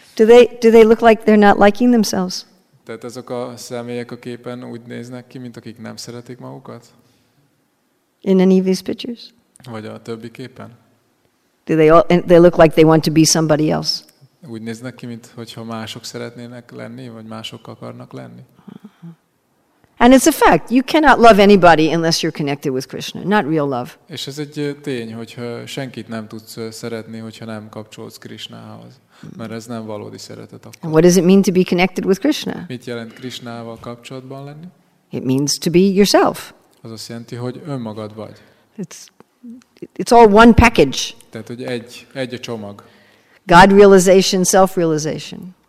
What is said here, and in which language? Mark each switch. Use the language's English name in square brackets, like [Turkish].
[English] Do they look like they're not liking themselves? [Hungarian] Tehát azok a személyek a képen úgy néznek ki, mint akik nem szeretik magukat? [English] In any of these pictures? [Hungarian] Vagy a többi képen? [English] Do they look like they want to be somebody else? [Hungarian] Úgy néznek ki, mint hogyha mások szeretnének lenni, vagy mások akarnak lenni? [English] And it's a fact. You cannot love anybody unless you're connected with Krishna. Not real love. [Hungarian] És ez egy tény, hogyha senkit nem tudsz szeretni, hogyha nem kapcsolódsz Krishnához. Mert ez nem valódi szeretet akkor. [English] And what does it mean to be connected with Krishna? [Hungarian] Mit jelent Krishnával kapcsolatban lenni? [English] It means to be yourself. [Hungarian] Az azt jelenti, hogy önmagad vagy. [English] It's all one package. [Hungarian] Tehát, hogy egy a csomag. [English] God realization, self-realization.